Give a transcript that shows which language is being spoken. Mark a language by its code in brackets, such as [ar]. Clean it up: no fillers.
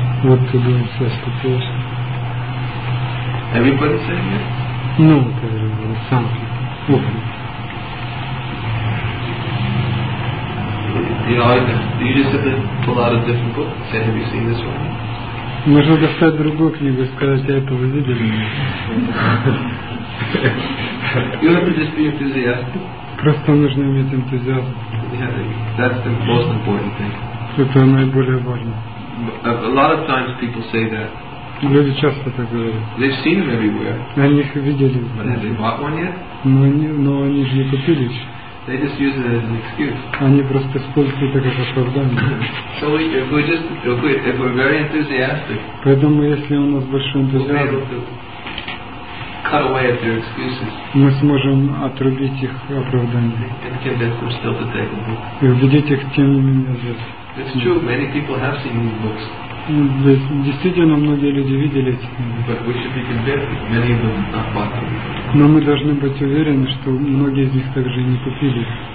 [en] What to do in such situation? Everybody saying it? No, not everybody. Some people. You know, you just have to pull out a different book and say, have you seen this one? [ru] Можно достать другую книгу и сказать, я это увидел. [en] You have to just be enthusiastic. [ru] Просто нужно иметь энтузиазм. [en] That's the most important thing. [ru] Это наиболее важно. [en] A lot of times people say that. [ru] Люди часто так говорят. [en] They've seen them everywhere. [ru] Они их видели. [en] But have they bought one yet? [ru] Но они же не купили еще. [en] They just use it as an excuse. [ru] Они просто используют это как оправдание. [en] So if we're very enthusiastic. [ru] Поэтому если у нас большой энтузиазм. [en] We'll be able to cut away at their excuses. [ru] Мы сможем отрубить их оправдания. [en] And convince them still to take a book. [ru] И убедить их тем не менее взять. [en] It's true. Many people have seen these books. [ru] Действительно, многие люди видели эти книги. [en] But we should be convinced that many of them have not bought them. [ru] Но мы должны быть уверены, что многие из них также и не купили.